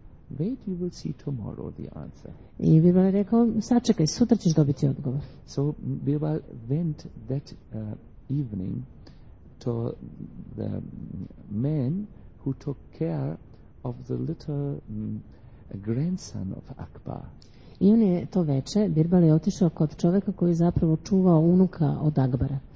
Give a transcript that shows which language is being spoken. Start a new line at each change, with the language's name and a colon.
English: Wait, you will see tomorrow the answer.
Serbian: I Birbal je rekao, sačekaj, sutra ćeš dobiti odgovor.
English: So Birbal went that evening to the man who took care of the little grandson of Akbar.
Serbian: I on je to veče, Birbal je otišao kod čovjeka koji je zapravo čuvao unuka od Akbara.